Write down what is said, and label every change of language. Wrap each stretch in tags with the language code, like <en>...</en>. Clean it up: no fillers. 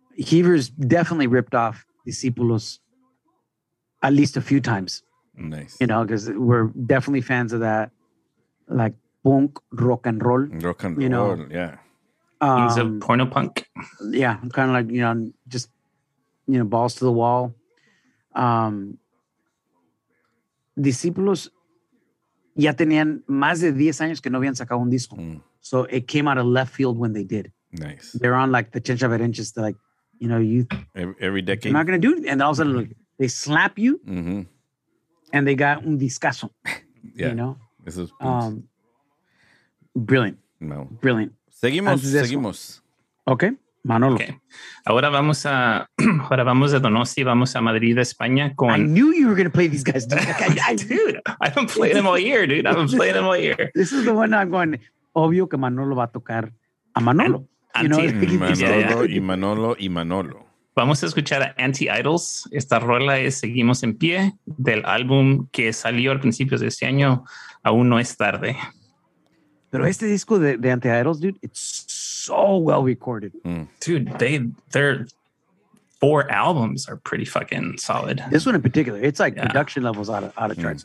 <en>Heavers definitely ripped off Discípulos at least a few times. Nice. You know, because we're definitely fans of that. Like, punk, rock and roll, you know. Yeah. He's a porno punk. Yeah, kind of like, you know, just, you know, balls to the wall.</en> <es>Discípulos ya tenían más de 10 años que no habían sacado un disco. Mm.</es> <en>So it came out of left field when they did. Nice. They're on like the Chencha Berenches, like, you know, you. Every decade. They're not going to do it. And all of a sudden, like, they slap you. Mm-hmm. And they got</en> <es>un discazo.</es> <en>Yeah. You know? This is brilliant. No. Brilliant.</en> <es>Seguimos.</es> <en>Okay. Manolo. Okay.</en> <es>Ahora vamos a Donosti, vamos a Madrid, España.</es> <en>I knew you were going to play these guys. Dude, I've been playing them all year. This is the one I'm going,</en> <es>obvio que Manolo va a tocar a Manolo. Manolo. Vamos a escuchar a Anti-Idols. Esta rola es Seguimos en Pie, del álbum que salió al principio de este año, Aún no es tarde. Pero este disco de</es> <en>Anti-Idols, dude, it's so well recorded. Mm. Dude, their four albums are pretty fucking solid. This one in particular, it's like production levels out of charts.</en>